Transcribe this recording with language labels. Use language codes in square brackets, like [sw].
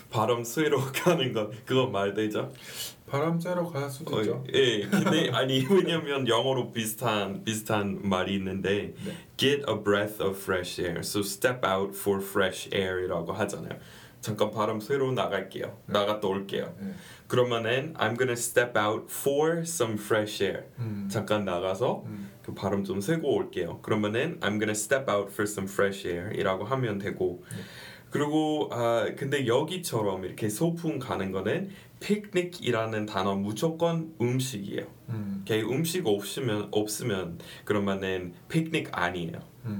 [ko] 바람 쐬러 가는 거 그거 말 되죠? 바람 쐬러 갈 수도 있죠. 예, 네. 근데 아니 왜냐면 영어로 비슷한 말이 있는데 네. [en] get a breath of fresh air, so step out for fresh air [ko] 이라고 하잖아요. 잠깐 바람 쐬러 나갈게요. 네. 나갔다 올게요. 네. 그러면은 [en] I'm gonna step out for some fresh air. [ko] 잠깐 나가서 그 발음 좀 세고 올게요. 그러면은 [en] I'm gonna step out for some fresh air [ko] 이라고 하면 되고 그리고 근데 여기처럼 이렇게 소풍 가는 거는 picnic이라는 단어 무조건 음식이에요. 이렇게 음식 없으면 그러면은 picnic 아니에요.